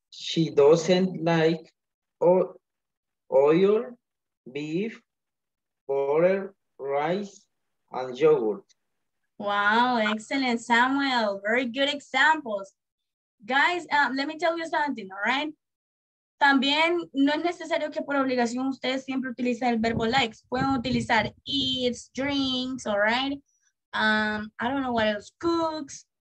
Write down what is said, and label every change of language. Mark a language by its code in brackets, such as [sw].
[en] She doesn't like oil, beef, butter, rice, and yogurt. Wow, excellent, Samuel. Very good examples. Guys, let me tell you something, all right? [es] También no es necesario que por obligación ustedes siempre utilicen el verbo likes. Pueden utilizar [en] eats, drinks, all right? I don't know what else, cooks,